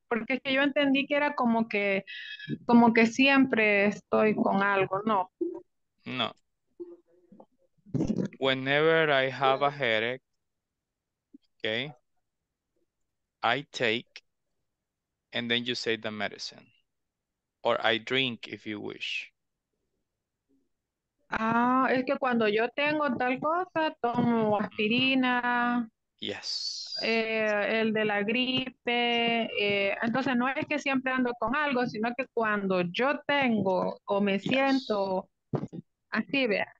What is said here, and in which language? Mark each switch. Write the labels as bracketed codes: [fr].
[es] Porque es que yo entendí que era como que siempre estoy con algo, ¿no? No. [en] Whenever I have a headache, okay, I take, and then you say the medicine. Or I drink if you wish. [es] Ah, es que cuando yo tengo tal cosa, tomo aspirina. [en] Yes. [es] El de la gripe. Entonces no es que siempre ando con algo, sino que cuando yo tengo o me siento así, vea.